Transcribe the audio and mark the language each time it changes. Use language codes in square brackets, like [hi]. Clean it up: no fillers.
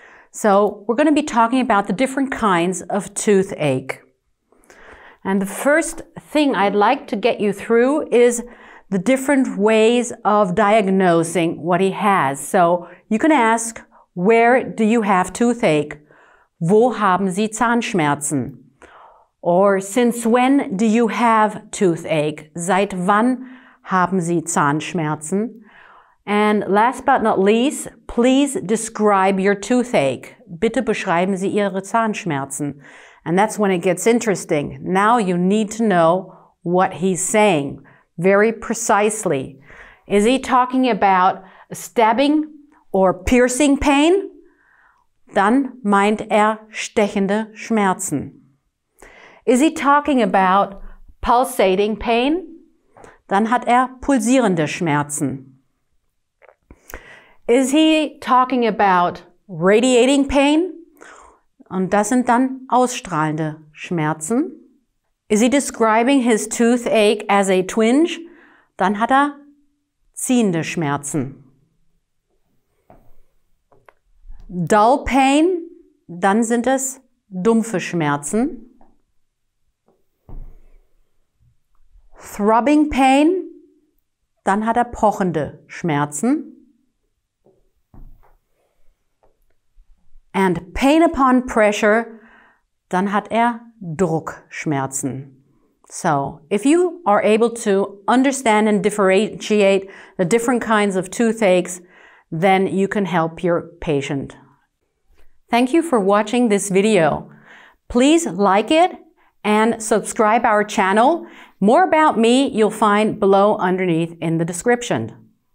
[en] So, we're going to be talking about the different kinds of toothache. And the first thing I'd like to get you through is the different ways of diagnosing what he has. So you can ask, where do you have toothache? [de] Wo haben Sie Zahnschmerzen? [en] Or since when do you have toothache? [de] Seit wann haben Sie Zahnschmerzen? [en] And last but not least, please describe your toothache. [de] Bitte beschreiben Sie Ihre Zahnschmerzen. [en] And that's when it gets interesting. Now you need to know what he's saying. Very precisely. Is he talking about stabbing or piercing pain? [de] Dann meint stechende Schmerzen. [en] Is he talking about pulsating pain? [de] Dann hat pulsierende Schmerzen. [en] Is he talking about radiating pain? [de] Und das sind dann ausstrahlende Schmerzen. [en] Is he describing his toothache as a twinge? [de] Dann hat ziehende Schmerzen. [en] Dull pain? [de] Dann sind es dumpfe Schmerzen. [en] Throbbing pain? [de] Dann hat pochende Schmerzen. [en] And pain upon pressure? [de] Dann hat Druckschmerzen. [en] So, if you are able to understand and differentiate the different kinds of toothaches, then you can help your patient. Thank you for watching this video. Please like it and subscribe our channel. More about me you'll find below underneath in the description.